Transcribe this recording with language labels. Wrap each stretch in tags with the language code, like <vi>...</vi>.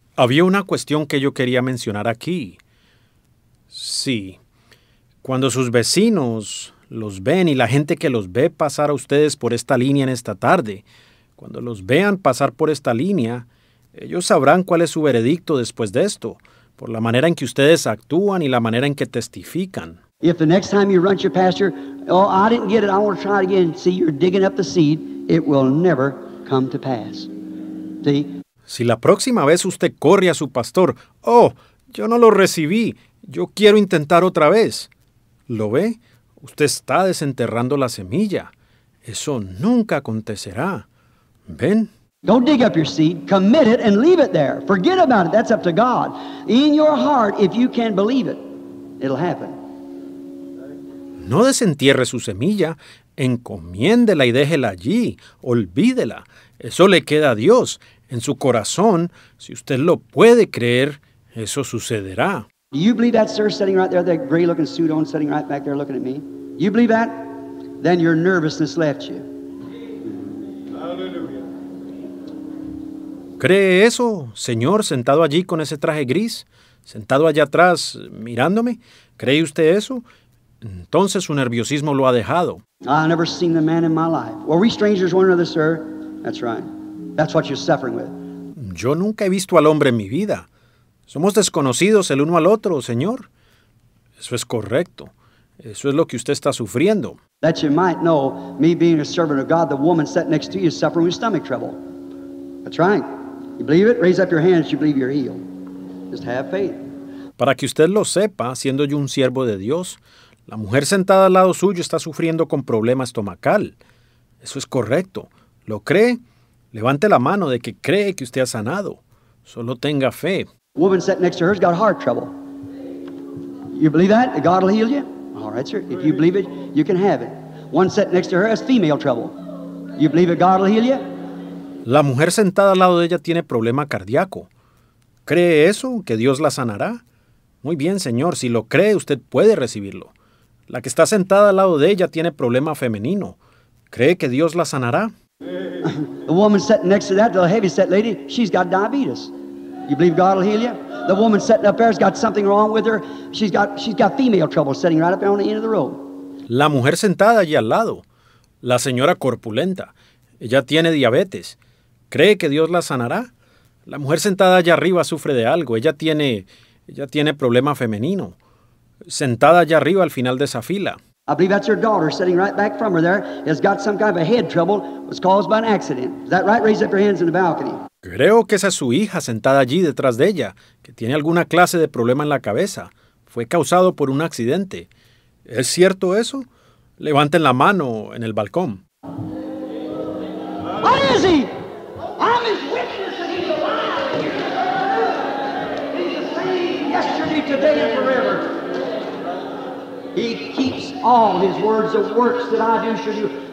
<es>Había una cuestión que yo quería mencionar aquí. Sí. Cuando sus vecinos los ven y la gente que los ve pasar a ustedes por esta línea en esta tarde, cuando los vean pasar por esta línea, ellos sabrán cuál es su veredicto después de esto, por la manera en que ustedes actúan y la manera en que testifican.</es> <en>If the next time you run to your pastor, oh, I didn't get it, I want to try it again. See, you're digging up the seed. It will never come to pass. See?</en> <es>Si la próxima vez usted corre a su pastor, oh, yo no lo recibí, yo quiero intentar otra vez. ¿Lo ve? Usted está desenterrando la semilla. Eso nunca acontecerá. ¿Ven?</es> <en>Don't dig up your seed. Commit it and leave it there. Forget about it. That's up to God. In your heart, if you can believe it, it'll happen.</en> <es>No desentierre su semilla. Encomiéndela y déjela allí. Olvídela. Eso le queda a Dios. En su corazón, si usted lo puede creer, eso sucederá.</es> <en>Do you believe that, sir, sitting right there, that gray-looking suit on, sitting right back there looking at me? You believe that? Then your nervousness left you.</en> <es>¿Cree eso, señor, sentado allí con ese traje gris? ¿Sentado allá atrás, mirándome? ¿Cree usted eso? Entonces su nerviosismo lo ha dejado.</es> <en>I've never seen the man in my life. Were we strangers one another, sir? That's right. That's what you're suffering with.</en> <es>Yo nunca he visto al hombre en mi vida. Somos desconocidos el uno al otro, señor. Eso es correcto. Eso es lo que usted está sufriendo.</es> <en>That you might know, me being a servant of God, the woman sat next to you is suffering with stomach trouble. That's right. You believe it? Raise up your hands if you believe you're healed. Just have faith.</en> <es>Para que usted lo sepa, siendo yo un siervo de Dios, la mujer sentada al lado suyo está sufriendo con problema estomacal. Eso es correcto. ¿Lo cree? Levante la mano de que cree que usted ha sanado. Solo tenga fe.</es> <en>Woman sitting next to her's got heart trouble. You believe that? God will heal you? All right, sir. If you believe it, you can have it. One sitting next to her has female trouble. You believe it, God will heal you?</en> <es>La mujer sentada al lado de ella tiene problema cardíaco. ¿Cree eso, que Dios la sanará? Muy bien, señor, si lo cree, usted puede recibirlo. La que está sentada al lado de ella tiene problema femenino. ¿Cree que Dios la sanará?</es> <en>The woman sitting next to that, the heavy set lady, she's got diabetes. You believe God will heal you? The woman sitting up there's got something wrong with her. She's got female trouble sitting right up there on the end of the road.</en> <es>La mujer sentada allí al lado, la señora corpulenta, ella tiene diabetes. ¿Cree que Dios la sanará? La mujer sentada allá arriba sufre de algo. Ella tiene problema femenino. Sentada allá arriba al final de esa fila.</es> <en>I believe that's her daughter sitting right back from her there. Has got some kind of a head trouble. Was caused by an accident. Is that right? Raise up your hands in the balcony.</en> <es>Creo que esa es su hija sentada allí detrás de ella, que tiene alguna clase de problema en la cabeza. Fue causado por un accidente. ¿Es cierto eso? Levanten la mano en el balcón.</es> <en>What is he? I'm his witness and he's alive. He's the same yesterday, today, and forever. He keeps all his words and works that I do show you.</en>